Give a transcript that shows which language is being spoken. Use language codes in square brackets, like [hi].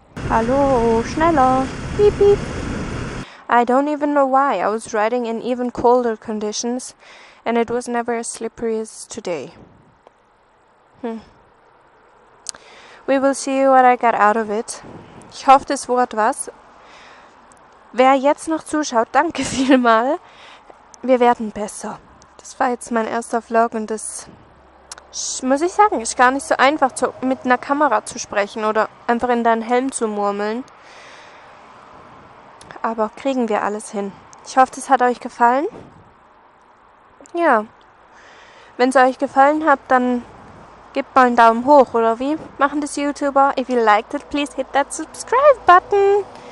[de] Hallo, schneller. [en] Beep, beep. I don't even know why. I was riding in even colder conditions and it was never as slippery as today. We will see what I got out of it. [de] Ich hoffe, das Wort was. Wer jetzt noch zuschaut, danke vielmal. Wir werden besser. Das war jetzt mein erster Vlog und das muss ich sagen, ist gar nicht so einfach, mit einer Kamera zu sprechen oder einfach in deinen Helm zu murmeln. Aber kriegen wir alles hin. Ich hoffe, das hat euch gefallen. Ja. Wenn es euch gefallen hat, dann gebt mal einen Daumen hoch, oder wie? Machen das YouTuber. [en] If you liked it, please hit that subscribe button.